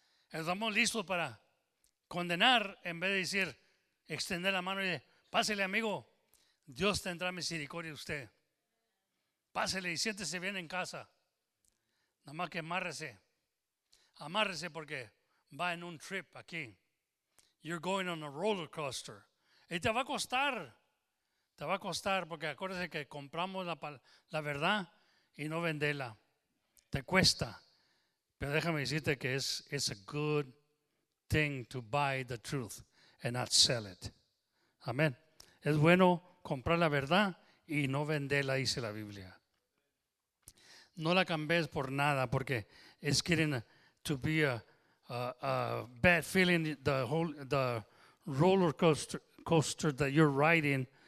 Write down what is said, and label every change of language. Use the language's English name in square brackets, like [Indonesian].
[Spanish] Estamos listos para condenar en vez de decir, extender la mano y decir, pásele amigo, Dios tendrá misericordia de usted. Pásele y siéntese bien en casa. Nada más que amárrese. Amárrese porque va en un trip aquí. [English] You're going on a roller coaster. [Spanish] Y te va a costar. Te va a costar porque acuérdese que compramos la verdad y no venderla. Te cuesta. Pero déjame decirte que [English] it's a good thing to buy the truth and not sell it. [Spanish] Amén. Es bueno comprar la verdad y no venderla, dice la Biblia. No la cambies por nada, porque [English] it's getting to be a bad feeling, the roller coaster that you're riding.